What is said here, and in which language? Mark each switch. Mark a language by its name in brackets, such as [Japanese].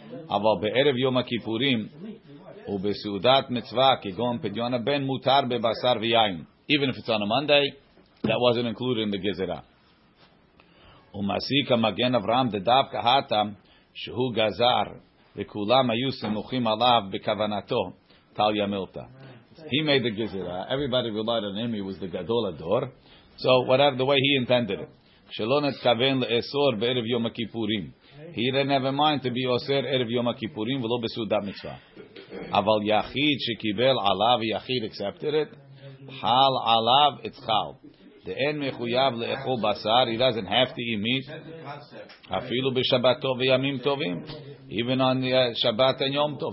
[Hebrew] אבל בערב יום הכיפורים ובסעודת מצווה כגון פדיון הבן מותר בבשר ויין. [English] Even if it's on a Monday, that wasn't included in the Gezerah. [Hebrew] ומסיק המגן אברהם דדווקא הטעם שהוא גזר וכולם היו סמוכים עליו בכוונתו טל ימלטה. [English] He made the Gezerah. Everybody relied on him. He was the Gadol Ador. So whatever the way he intended it. [Hebrew] שלא נתכוון לאסור בערב יום הכיפורים. [English] He didn't have a mind to be [Hebrew] אוסר ערב יום הכיפורים ולא בסעודת מצווה. אבל יחיד שקיבל עליו, יחיד [English] accepted it, [Hebrew] חל עליו, it's חל. דאין מחויב לאכול בשר, [English] he doesn't have to eat meat, [Hebrew] אפילו בשבת טוב וימים טובים, [English] even on [Hebrew] שבת and יום טוב.